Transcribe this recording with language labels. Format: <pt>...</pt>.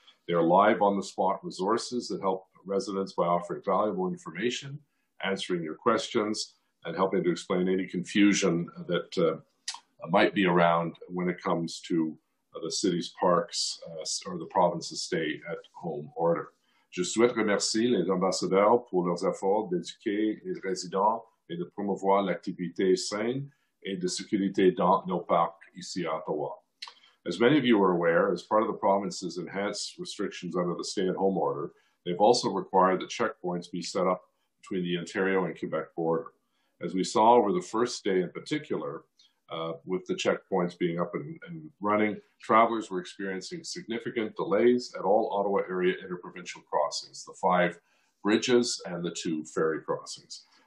<en>They're live on the spot resources that help residents by offering valuable information, answering your questions, and helping to explain any confusion that might be around when it comes to the city's parks or the province's stay at home order.</en> <fr>Je souhaite remercier les ambassadeurs pour leurs efforts d'éduquer les résidents et de promouvoir l'activité saine et de sécurité dans nos parcs ici à Ottawa.</fr> <en>As many of you are aware, as part of the province's enhanced restrictions under the stay at home order, they've also required the checkpoints be set up between the Ontario and Quebec border. As we saw over the first day in particular, with the checkpoints being up and running, travelers were experiencing significant delays at all Ottawa area interprovincial crossings, the 5 bridges and the 2 ferry crossings.</en>